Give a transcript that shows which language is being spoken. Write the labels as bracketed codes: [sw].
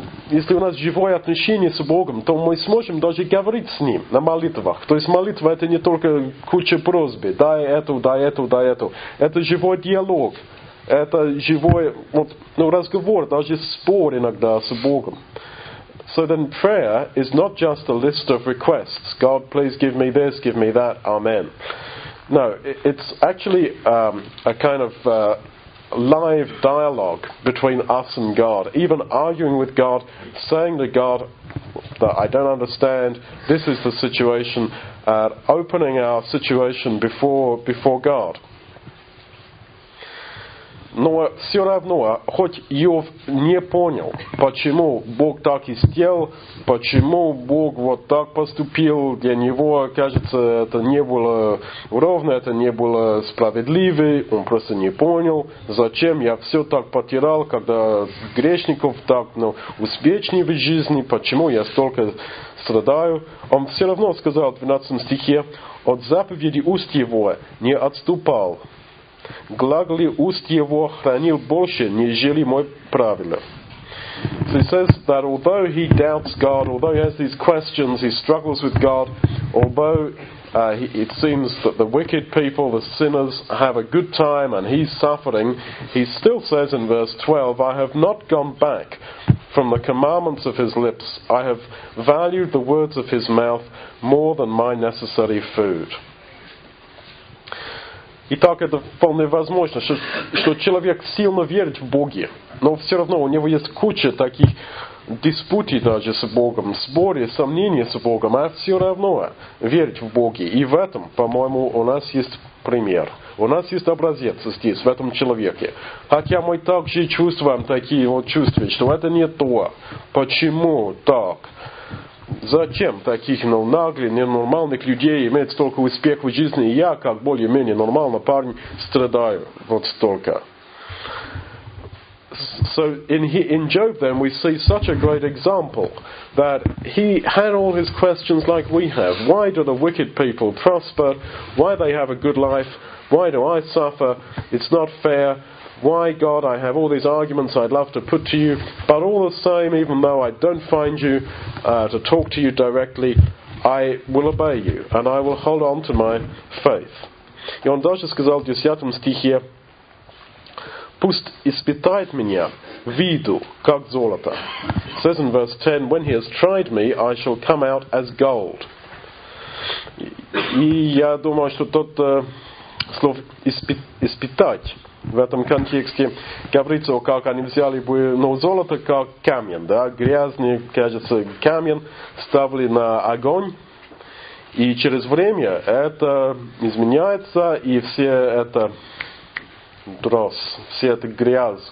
[ru] Если у нас живое отношение с Богом, то мы сможем даже говорить с Ним на молитвах. То есть молитва это не только куча просьбы. Дай эту, дай эту, дай эту. Это живой диалог. Это живой разговор, даже спор иногда с Богом. [en] So then prayer is not just a list of requests. God, please give me this, give me that, amen. No, it's actually a kind of live dialogue between us and God. Even arguing with God, saying to God that I don't understand, this is the situation, opening our situation before God. [ru] Но все равно, хоть Иов не понял, почему Бог так и сделал, почему Бог вот так поступил, для него, кажется, это не было ровно, это не было справедливо, он просто не понял, зачем я все так потерял, когда грешников так успешнее в жизни, почему я столько страдаю. Он все равно сказал в 12 стихе, от заповеди уст его не отступал. Глаг ли уст его хранил больше, нежели мой правильно. [en] So he says that although he doubts God, although he has these questions, he struggles with God, although it seems that the wicked people, the sinners, have a good time and he's suffering, he still says in verse 12, I have not gone back from the commandments of his lips. I have valued the words of his mouth more than my necessary food. [ru] Итак, это вполне возможно, что человек сильно верит в Бога, но все равно у него есть куча таких диспутий даже с Богом, споры, сомнения с Богом, а все равно верить в Бога. И в этом, по-моему, у нас есть пример. У нас есть образец здесь, в этом человеке. Хотя мы также чувствуем такие вот чувства, что это не то. Почему так? Зачем таких наглых, ненормальных людей иметь столько успехов в жизни, и я, как более-менее нормальный парень, страдаю вот столько? [en] So in Job, then, we see such a great example that he had all his questions like we have. Why do the wicked people prosper? Why they have a good life? Why do I suffer? It's not fair. Why, God, I have all these arguments I'd love to put to you, but all the same, even though I don't find you to talk to you directly, I will obey you, and I will hold on to my faith. [ru] И он даже сказал в 10 стихе, пусть испытает меня, выйду, как золото. [en] It says in verse 10, when he has tried me, I shall come out as gold. [ru] И я думаю, что тот слов испытать, в этом контексте говорится, о как они взяли бы, ну, золото, как камень, да, грязный, кажется, камень, ставили на огонь, и через время это изменяется, и все это дрозд, все это грязь,